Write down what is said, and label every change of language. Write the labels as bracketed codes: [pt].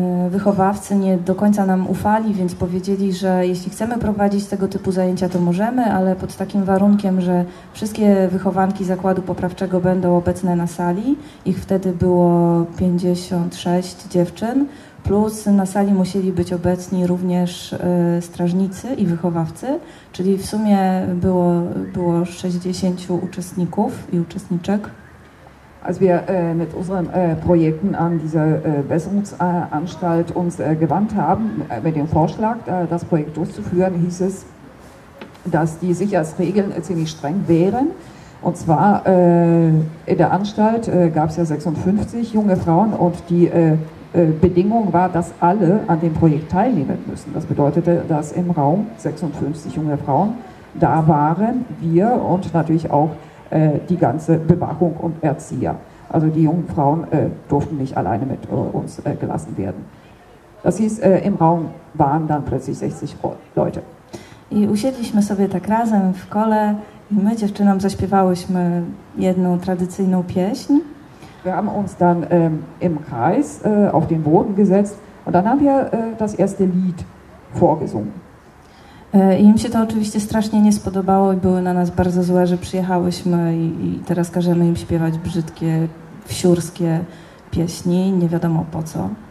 [pl] Wychowawcy nie do końca nam ufali, więc powiedzieli, że jeśli chcemy prowadzić tego typu zajęcia, to możemy, ale pod takim warunkiem, że wszystkie wychowanki zakładu poprawczego będą obecne na sali. Ich wtedy było 56 dziewczyn, plus na sali musieli być obecni również strażnicy i wychowawcy, czyli w sumie było, 60 uczestników i uczestniczek. [de] Als wir mit unseren Projekten an dieser Besserungsanstalt uns gewandt haben, mit dem Vorschlag, das Projekt durchzuführen, hieß es, dass die Sicherheitsregeln ziemlich streng wären. Und zwar in der Anstalt gab es ja 56 junge Frauen und die Bedingung war, dass alle an dem Projekt teilnehmen müssen. Das bedeutete, dass im Raum 56 junge Frauen da waren, wir und natürlich auch die ganze Bewachung und Erzieher. Also die jungen Frauen durften nicht alleine mit uns gelassen werden. Das hieß, im Raum waren dann plötzlich 60 Leute. [pl] I usiedliśmy sobie tak razem w kole i my dziewczynom zaśpiewałyśmy jedną tradycyjną pieśń. [de] Wir haben uns dann im Kreis auf den Boden gesetzt und dann haben wir das erste Lied vorgesungen. [pl] Im się to oczywiście strasznie nie spodobało i były na nas bardzo złe, że przyjechałyśmy i teraz każemy im śpiewać brzydkie, wsiurskie pieśni, nie wiadomo po co.